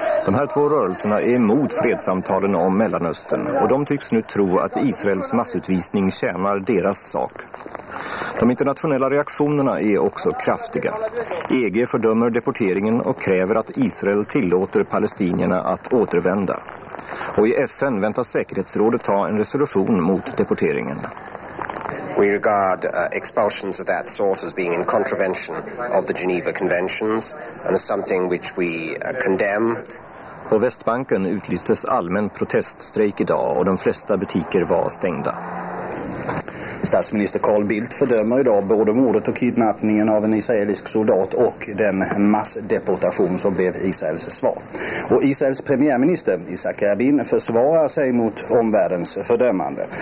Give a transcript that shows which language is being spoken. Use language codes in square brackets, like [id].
[sv] De här två rörelserna är emot fredssamtalen om Mellanöstern och de tycks nu tro att Israels massutvisning tjänar deras sak. De internationella reaktionerna är också kraftiga. EG fördömer deporteringen och kräver att Israel tillåter palestinierna att återvända. Och i FN väntas säkerhetsrådet ta en resolution mot deporteringen. [en] We regard expulsions of that sort as being in contravention of the Geneva Conventions and as something which we condemn. [sv] På Västbanken utlystes allmän proteststrejk idag och de flesta butiker var stängda. Statsminister Carl Bildt fördömer idag både mordet och kidnappningen av en israelisk soldat och den massdeportation som blev Israels svar. Och Israels premiärminister Isaac Rabin försvarar sig mot omvärldens fördömande.